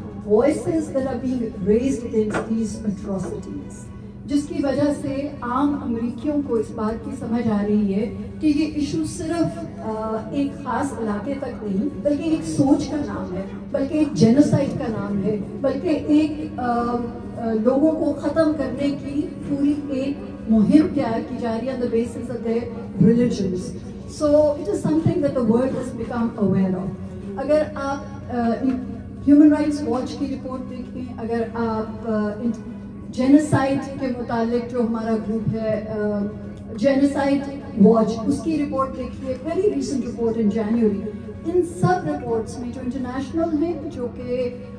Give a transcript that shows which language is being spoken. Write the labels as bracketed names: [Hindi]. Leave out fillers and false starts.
[English] voices that are being raised against these atrocities, [Urdu] جس کی وجہ سے عام امریکیوں کو اس بات کی سمجھ آ رہی ہے کہ یہ ایشو صرف ایک خاص علاقے تک نہیں بلکہ ایک سوچ کا نام ہے, بلکہ ایک جینوسائڈ کا نام ہے, بلکہ ایک لوگوں کو ختم کرنے کی پوری ایک مہم تیار کی جا رہی ہے [English] On the basis of their religions. So it is something that the world has become aware of. [Urdu] اگر آپ ہیومن رائٹس واچ کی رپورٹ دیکھیں, اگر آپ جینوسائڈ کے متعلق جو ہمارا گروپ ہے جینوسائڈ واچ اس کی رپورٹ دیکھیے, [English] very recent report in January, [Urdu] ان سب رپورٹس میں جو انٹرنیشنل ہیں جو کہ